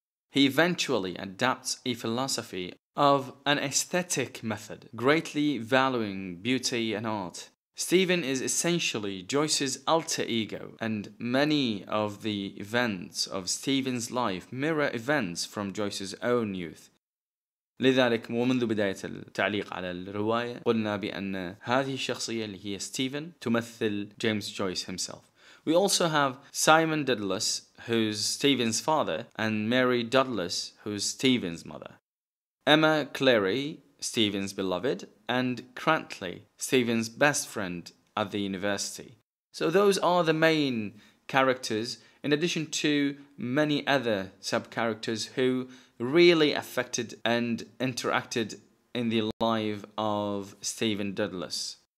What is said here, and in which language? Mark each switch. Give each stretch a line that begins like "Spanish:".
English: He eventually adapts a philosophy of an aesthetic method, greatly valuing beauty and art. Stephen is essentially Joyce's alter ego, and many of the events of Stephen's life mirror events from Joyce's own youth.
Arabic: لذلك ومنذ بداية التعليق على الرواية قلنا بأن هذه الشخصية اللي هي ستيفن تمثل جيمس جويس himself.
English: We also have Simon Dedalus, who's Stephen's father, and Mary Dedalus, who's Stephen's mother. Emma Clary, Stephen's beloved, and Crantley, Stephen's best friend at the university. So those are the main characters, in addition to many other sub-characters who really affected and interacted in the life of Stephen Dedalus.